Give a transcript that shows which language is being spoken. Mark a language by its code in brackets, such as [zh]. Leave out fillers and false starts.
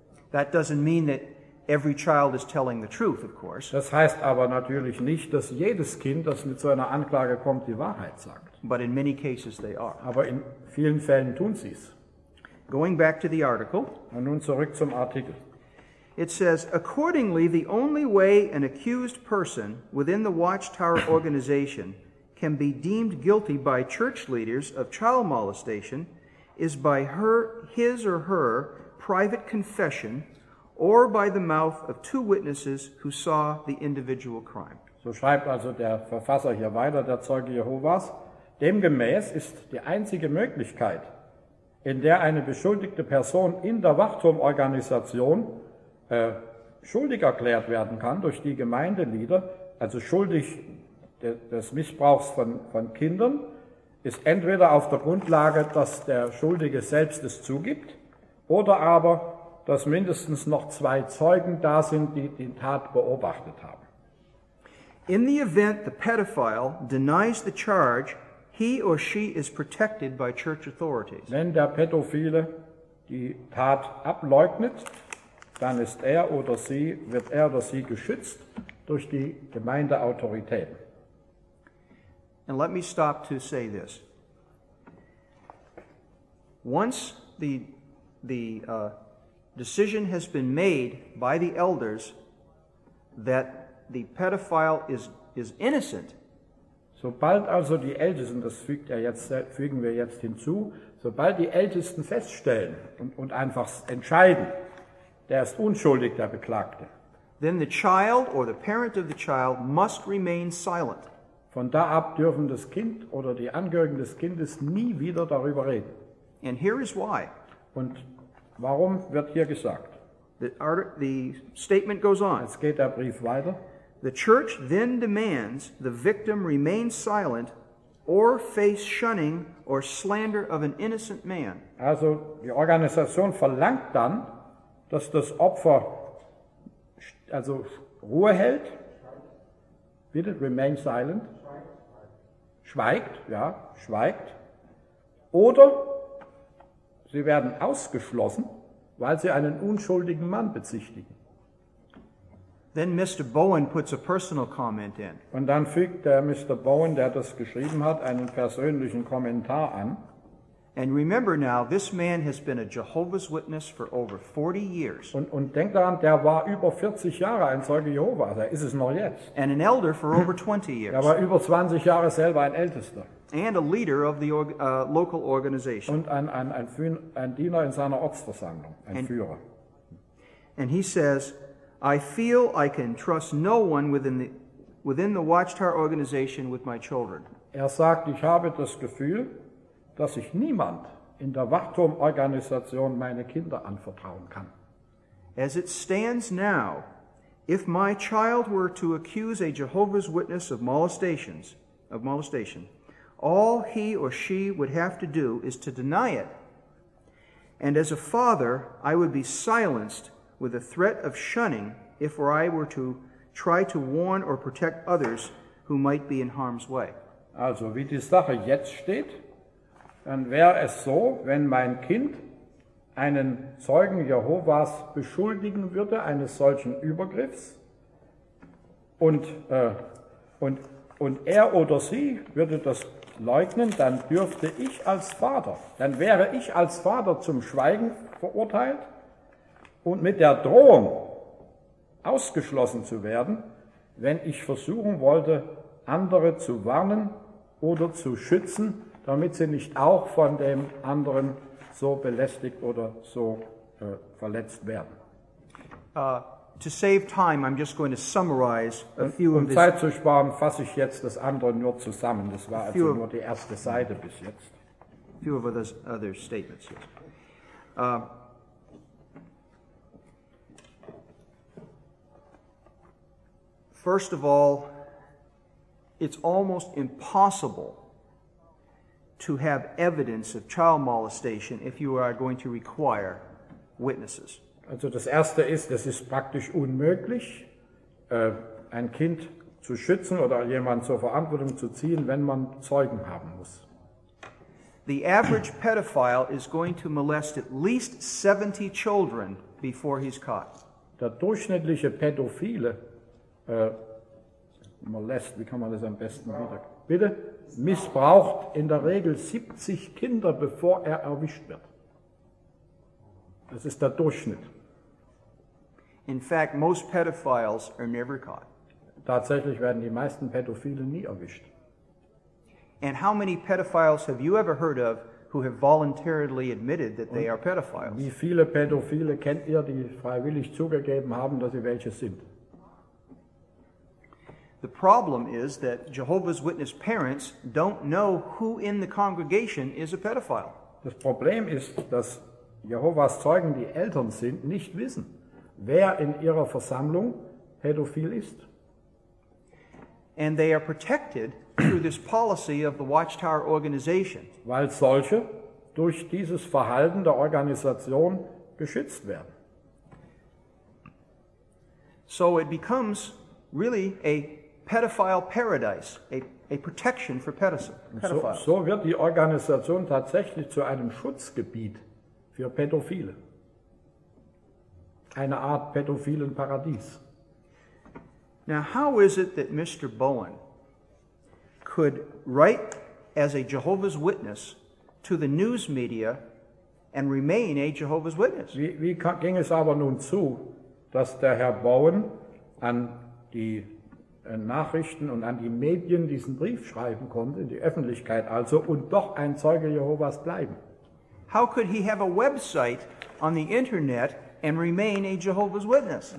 [en] That doesn't mean that every child is telling the truth, of course. [de] Das heißt aber natürlich nicht, dass jedes Kind, das mit so einer Anklage kommt, die Wahrheit sagt. [en] But in many cases they are. [de] Aber in vielen Fällen tun sie es. [en] Going back to the article. [de] Und nun zurück zum Artikel. [en] It says, accordingly, the only way an accused person within the Watchtower organization can be deemed guilty by church leaders of child molestation is by his or her private confession or by the mouth of two witnesses who saw the individual crime. [de] So schreibt also der Verfasser hier weiter, der Zeuge Jehovas. Demgemäß ist die einzige Möglichkeit, in der eine beschuldigte Person in der Wachturmorganisation schuldig erklärt werden kann durch die Gemeindeleader, also schuldig des Missbrauchs von Kindern, ist entweder auf der Grundlage, dass der Schuldige selbst es zugibt, oder aber, dass mindestens noch zwei Zeugen da sind, die die Tat beobachtet haben. [en] In the event the pedophile denies the charge, he or she is protected by church authorities. [de] Wenn der Pädophile die Tat ableugnet, dann ist er oder sie, wird er oder sie geschützt durch die Gemeindeautoritäten. [en] And let me stop to say this. Once the decision has been made by the elders that the pedophile is innocent. [de] Sobald also die Ältesten, das fügt er jetzt, fügen wir jetzt hinzu, sobald die Ältesten feststellen und einfach entscheiden, der ist unschuldig, der Beklagte. [en] Then the child or the parent of the child must remain silent. [de] Von da ab dürfen das Kind oder die Angehörigen des Kindes nie wieder darüber reden. [en] And here is why. [de] Und warum wird hier gesagt? [en] The statement goes on. [de] Jetzt geht der Brief weiter. [en] The church then demands the victim remain silent or face shunning or slander of an innocent man. [de] Also die Organisation verlangt dann, dass das Opfer also Ruhe hält, bitte [en] remain silent, [de] schweigt, oder sie werden ausgeschlossen, weil sie einen unschuldigen Mann bezichtigen. [en] Then Mr. Bowen puts a personal comment in. [de] Und dann fügt der Mr. Bowen, der das geschrieben hat, einen persönlichen Kommentar an. [en] And remember now, this man has been a Jehovah's Witness for over 40 years. [de] Und denk daran, der war über 40 Jahre ein Zeuge Jehovas. Er ist es noch jetzt. [en] And an elder for over 20 years. [de] Er war über 20 Jahre selber ein Ältester. [en] And a leader of the local organization. [de] Und ein Diener in seiner Ortsversammlung, Führer. [en] And he says, I feel I can trust no one within the Watchtower organization with my children. [de] Er sagt, ich habe das Gefühl, dass ich niemand in der Wachturmorganisation meine Kinder anvertrauen kann. [en] As it stands now, if my child were to accuse a Jehovah's Witness of molestation, all he or she would have to do is to deny it. And as a father, I would be silenced with a threat of shunning if I were to try to warn or protect others who might be in harm's way. [de] Also, wie die Sache jetzt steht, dann wäre es so, wenn mein Kind einen Zeugen Jehovas beschuldigen würde eines solchen Übergriffs und er oder sie würde das leugnen, dann dürfte ich als Vater, dann wäre ich als Vater zum Schweigen verurteilt und mit der Drohung ausgeschlossen zu werden, wenn ich versuchen wollte, andere zu warnen oder zu schützen, damit sie nicht auch von dem anderen so belästigt oder so verletzt werden. [en] To save time, I'm just going to summarize a few [de] of Zeit zu sparen, fasse ich jetzt das andere nur zusammen. Das war also nur die erste Seite bis jetzt. [en] A few of those other statements. Yes. First of all, it's almost impossible to have evidence of child molestation if you are going to require witnesses. [de] Also das Erste ist, es ist praktisch unmöglich, ein Kind zu schützen oder jemanden zur Verantwortung zu ziehen, wenn man Zeugen haben muss. [en] The average pedophile is going to molest at least 70 children before he's caught. [de] Der durchschnittliche Pädophile molest, wie kann man das am besten wieder? Bitte? Missbraucht in der Regel 70 Kinder, bevor er erwischt wird. Das ist der Durchschnitt. [en] In fact, most pedophiles are never caught. [de] Tatsächlich werden die meisten Pädophile nie erwischt. [en] And how many pedophiles have you ever heard of who have voluntarily admitted that they are pedophiles? [de] Wie viele Pädophile kennt ihr, die freiwillig zugegeben haben, dass sie welche sind? [en] The problem is that Jehovah's Witness parents don't know who in the congregation is a pedophile. [de] Das Problem ist, dass Jehovas Zeugen, die Eltern sind, nicht wissen, wer in ihrer Versammlung pädophil ist. [en] And they are protected through this policy of the Watchtower organization. [de] Weil solche durch dieses Verhalten der Organisation geschützt werden. [en] So it becomes really a pedophile paradise, a protection for pedophiles. [de] So wird die Organisation tatsächlich zu einem Schutzgebiet für Pädophile. Eine Art pädophilen Paradies. [en] Now, how is it that Mr. Bowen could write as a Jehovah's Witness to the news media and remain a Jehovah's Witness? [de] Wie ging es aber nun zu, dass der Herr Bowen an die Nachrichten und an die Medien diesen Brief schreiben konnte, in die Öffentlichkeit also, und doch ein Zeuge Jehovas bleiben? [en] How could he have a website on the internet and remain a Jehovah's Witness?